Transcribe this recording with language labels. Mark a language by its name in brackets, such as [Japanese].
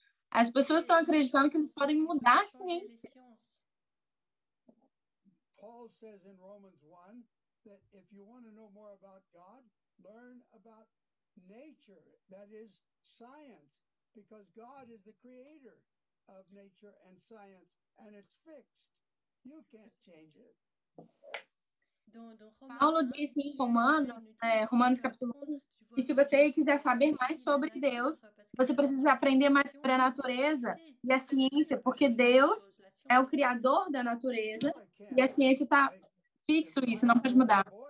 [Portuguese] As pessoas estão acreditando que eles podem mudar a ciência. [English] Paul says in Romans 1 that if you want to know more about God, learn about nature, that is science, because God is the creator of nature and science, and it's fixed. You can't change it. [Portuguese] Paulo disse em Romanos, Romanos capítulo 1, que se você quiser saber mais sobre Deus, você precisa aprender mais sobre a natureza e a ciência, porque Deus é o criador da natureza e a ciência está fixo isso, não pode mudar.